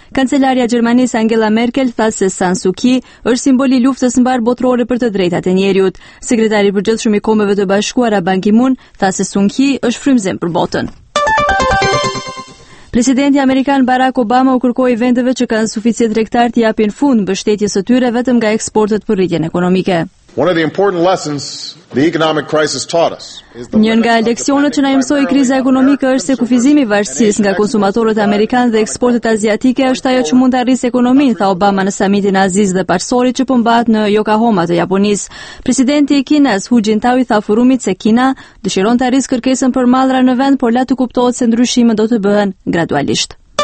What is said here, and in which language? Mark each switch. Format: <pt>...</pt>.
<sq>Kancelaria Gjermanisë Angela Merkel tha se San Suu Kyi është simboli i luftës mbar botërore për të drejtat e njeriut. Sekretari i përgjithshëm i Kombeve të Bashkuara Ban Ki-moon tha se Suu Kyi është frymëzim për botën. Presidenti Amerikan Barack Obama u kërkoi vendeve që kanë suficient tregtar të japin fund mbështetjes së tyre vetëm nga eksportet për rritjen ekonomike.</sq> <en>One of the important lessons the economic crisis taught us.</en> <sq>Një nga leksionet që na mësoi kriza ekonomike është se kufizimi i varësisë nga konsumatorët amerikan dhe eksportet aziatike është ajo që mund të arrisë ekonominë, tha Obama në samitin Azis dhe Parsori që po mbahet në Yokohama të Japonisë. Presidenti i Kinës Hu Jintao i tha forumit se Kina dëshiron të arrisë kërkesën për mallra në vend, por la të kuptohet se ndryshimet do të bëhen gradualisht.</sq>